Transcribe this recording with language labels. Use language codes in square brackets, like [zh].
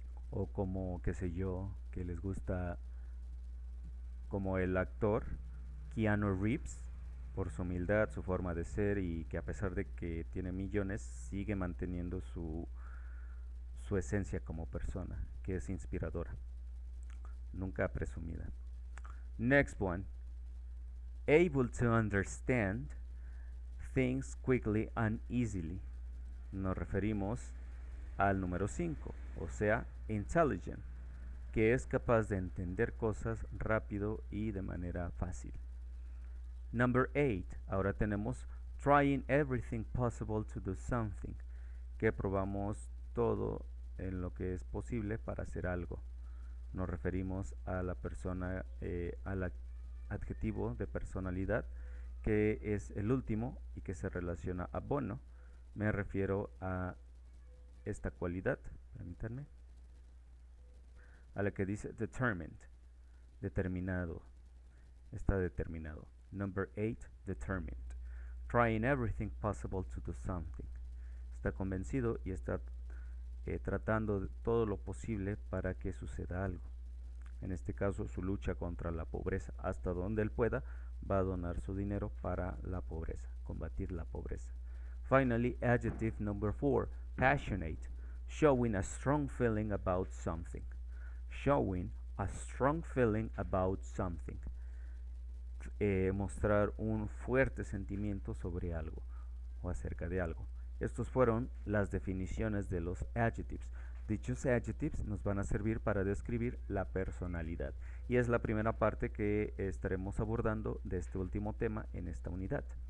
[es] O como, qué sé yo, que les gusta, como el actor Keanu Reeves, por su humildad, su forma de ser, y que a pesar de que tiene millones, sigue manteniendo su esencia como persona, que es inspiradora, nunca presumida. [en] Next one, able to understand things quickly and easily. [es] Nos referimos al número 5, o sea, intelligent, que es capaz de entender cosas rápido y de manera fácil. [en] Number 8, [es] ahora tenemos [en] trying everything possible to do something, [es] que probamos todo en lo que es posible para hacer algo. Nos referimos a la persona, al adjetivo de personalidad, que es el último y que se relaciona a bono. Me refiero a esta cualidad, permítanme, a la que dice determined, determinado, está determinado. [en] Number 8, determined, trying everything possible to do something, [es] está convencido y está tratando de todo lo posible para que suceda algo. En este caso, su lucha contra la pobreza, hasta donde él pueda, va a donar su dinero para la pobreza, combatir la pobreza. [en] Finally, adjective number 4, passionate, showing a strong feeling about something. Showing a strong feeling about something. [es] Mostrar un fuerte sentimiento sobre algo o acerca de algo. Estas fueron las definiciones de los adjectives. Dichos adjectives nos van a servir para describir la personalidad. Y es la primera parte que estaremos abordando de este último tema en esta unidad.